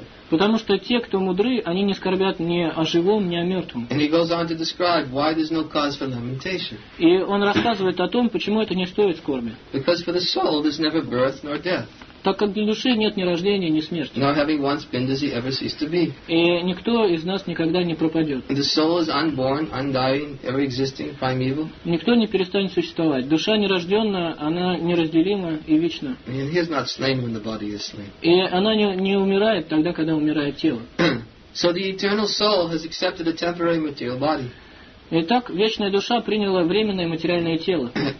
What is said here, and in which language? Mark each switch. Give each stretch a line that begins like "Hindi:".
Russian: Потому что те, кто мудры, они не скорбят ни о живом, ни о мертвом. И он рассказывает о том, почему это не стоит скорби.
English: Because for the soul there's never birth nor death.
Russian: Так как для души нет ни рождения, ни смерти.
English: Nor having once been, does he ever cease to be.
Russian: И никто из нас никогда не пропадет.
English: The soul is unborn, undying, ever existing, primeval.
Russian: Никто не перестанет существовать. Душа нерожденная, она неразделима и вечна.
English: And he is not slain when the body is slain.
Russian: И она не умирает тогда, когда умирает тело.
English: So the eternal soul has accepted a temporary material body.
Russian: Итак, вечная душа приняла временное материальное тело.